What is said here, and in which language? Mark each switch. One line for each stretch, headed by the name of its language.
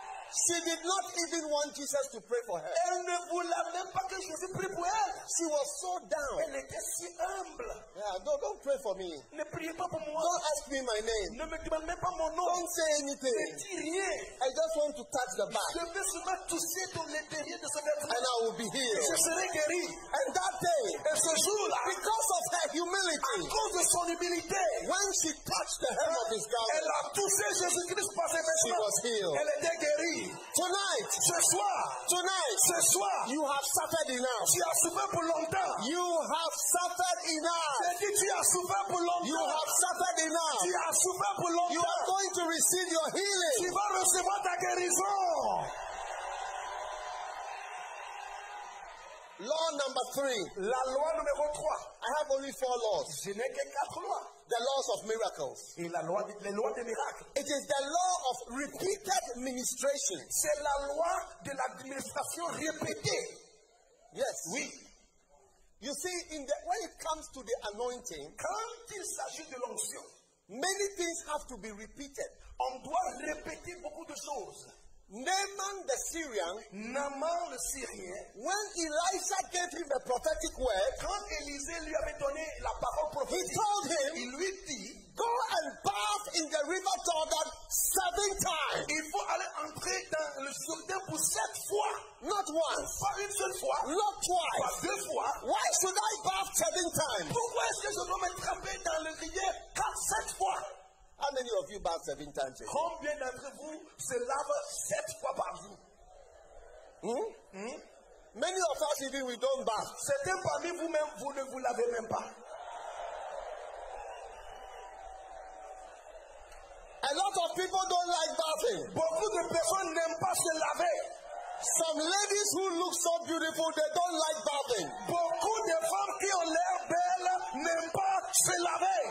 English: She did not even want Jesus to pray for her.
French: Elle ne voulait même pas que Jésus prie pour elle.
English: She was so down.
French: Elle était si humble.
English: Yeah, no, don't pray for me.
French: Ne priez pas pour moi.
English: Don't ask me my name.
French: Ne me demande même pas mon nom.
English: Don't say anything.
French: Ne dis rien.
English: I just want to touch the back.
French: Je veux seulement toucher ton intérieur de ce vêtement.
English: And I will be healed.
French: Et je serai guéri.
English: And that day,
French: et ce jour-là,
English: because of her humility,
French: à cause de son humilité,
English: when she touched the hem of his garment,
French: elle a touché Jésus-Christ par ses vêtements.
English: She was healed.
French: Elle était guérie.
English: Tonight,
French: ce soir,
English: tonight,
French: ce soir,
English: you have suffered enough.
French: Tu as souffert pour longtemps.
English: You have suffered enough.
French: J'ai dit, tu as souffert pour longtemps.
English: You have suffered enough.
French: Tu as souffert pour longtemps.
English: You are going to receive your healing.
French: Tu vas recevoir ta guérison.
English: Law number three.
French: La loi numéro 3.
English: I have only 4 laws.
French: Je n'ai que 4 lois.
English: The laws of miracles.
French: Et la loi, les lois des miracles.
English: It is the law of repeated ministration.
French: C'est la loi de l'administration répétée.
English: Yes.
French: Oui.
English: You see, in the, when it comes to the anointing,
French: quand il s'agit de l'onction,
English: many things have to be repeated.
French: On doit répéter beaucoup de choses.
English: Naaman the Syrian,
French: Naaman le Syrien,
English: when Elisha gave him the prophetic word,
French: quand Élisée lui avait donné la parole prophétique,
English: he told him,
French: il lui dit,
English: go and bath in the river Jordan 7 times.
French: Il faut aller entrer dans le Jourdain pour 7 fois.
English: Not once.
French: Pas une seule fois.
English: Not twice.
French: Pas 2 fois.
English: Why should I bath 7 times?
French: Pourquoi est-ce que je dois me tremper dans le rivière 4, 7 fois?
English: How many of you bath 7 times?
French: Combien d'entre vous se lave 7 fois par jour?
English: Many of us even we don't bath.
French: Certains parmi vous-même, vous ne vous lavez même pas.
English: A lot of people don't like bathing.
French: Beaucoup de personnes n'aiment pas se laver.
English: Some ladies who look so beautiful, they don't like bathing.
French: Beaucoup de femmes qui ont l'air belles n'aiment pas se laver.